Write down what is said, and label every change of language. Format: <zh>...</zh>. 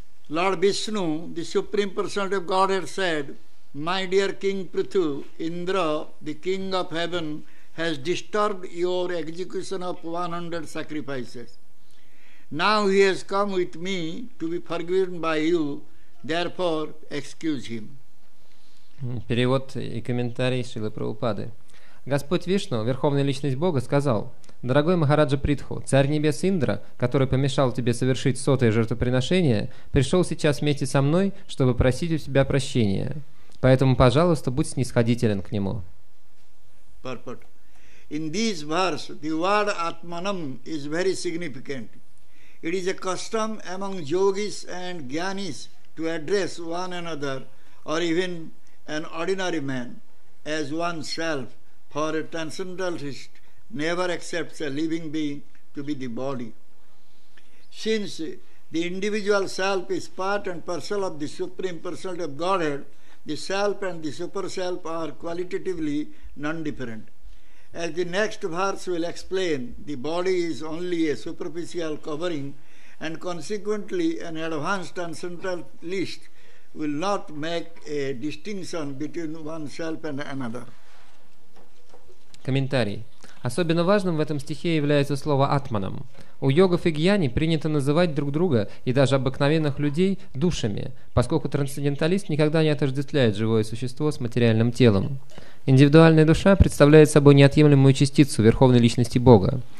<en>Lord Vishnu, the Supreme Personality of Godhead said, My dear King Prithu, Indra, the King of Heaven, has disturbed your execution of 100 sacrifices. Now he has come with me to be forgiven by you, therefore excuse him.</en> <ru>Перевод и комментарий Шрилы Прабхупады. Господь Вишну, Верховная Личность Бога, сказал, «Дорогой Махараджа Притху, Царь Небес Индра, который помешал тебе совершить сотое жертвоприношение, пришел сейчас вместе со мной, чтобы просить у тебя прощения. Поэтому, пожалуйста, будь снисходителен к нему».</ru> <en>Purport. In this verse, the word Atmanam is very significant. It is a custom among yogis and jnanis to address one another or even an ordinary man as oneself, for a transcendentalist never accepts a living being to be the body. Since the individual self is part and parcel of the Supreme Personality of Godhead, the self and the super self are qualitatively non-different. As the next verse will explain, the body is only a superficial covering and consequently an advanced transcendentalist will not make a distinction between oneself and another.</en> <ru>Комментарий. Особенно важным в этом стихе является слово «атманом». У йогов и гьяни принято называть друг друга и даже обыкновенных людей душами, поскольку трансценденталист никогда не отождествляет живое существо с материальным телом. Индивидуальная душа представляет собой неотъемлемую частицу Верховной Личности Бога.</ru>